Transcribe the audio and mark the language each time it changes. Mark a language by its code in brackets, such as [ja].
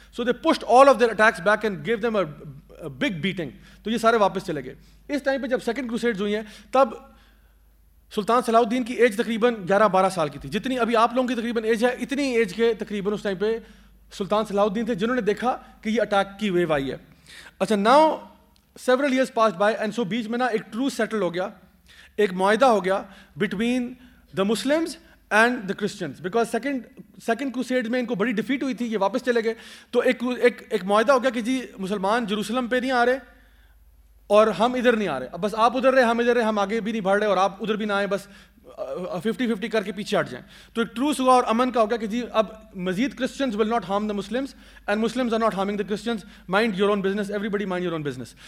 [en] So they pushed all of their attacks back and give them a big beating. [hi] तो ये सारे वापस चले गए. इस टाइम पर जब सेकंड क्रूसेड्स हुई हैं तब सुल्तान सलाउद्दीन की एज तकरीबन 11-12 साल की थी. जितनी अभी आप लोगों की तकरीबन एज है इतनी एज के तकरीबन उस टाइम पर सुल्तान सलाउद्दीन थे जिन्होंने देखा कि ये अटैक की वेव आई है. अच्छा now [en] Several years passed by [hi] and so बीच में ना एक truce settled हो गया, एक मुआहदा हो गया [en] between the Muslims and the Christians. [hi] Because second crusade में इनको बड़ी defeat हुई थी, ये वापस चले गए. तो एक मुआहदा हो गया कि जी मुसलमान जरूसलम पर नहीं आ रहे और हम इधर नहीं आ रहे, अब बस आप उधर रहे हम इधर रहे, हम आगे भी नहीं बढ़ रहे और आप उधर भी ना आए, बस 50-50 करके पीछे हट जाएं. तो एक ट्रूस हुआ और अमन का हो गया कि जी अब मजीद [en] Christians will not harm the Muslims and Muslims are not harming the Christians, mind your own business, everybody mind your own business.